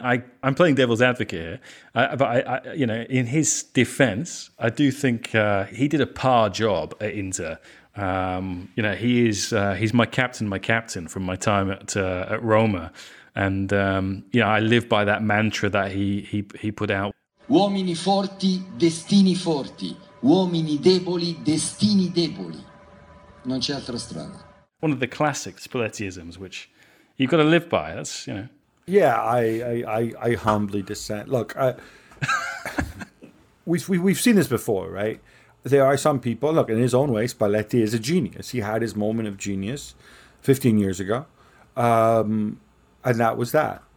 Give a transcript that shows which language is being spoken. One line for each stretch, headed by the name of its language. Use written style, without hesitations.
English: I'm playing devil's advocate here. But in his defence, I do think he did a par job at Inter. You know, he's my captain from my time at Roma. And, you know, I live by that mantra that he put out.
Italian: Uomini forti, destini forti. Uomini deboli, destini deboli. Non c'è altra strada.
English: One of the classic Spallettiisms, which you've got to live by. That's, you know. Yeah, I humbly dissent. Look, we've seen this before, right? There are some people. Look, in his own way, Spalletti is a genius. He had his moment of genius 15 years ago, and that was that.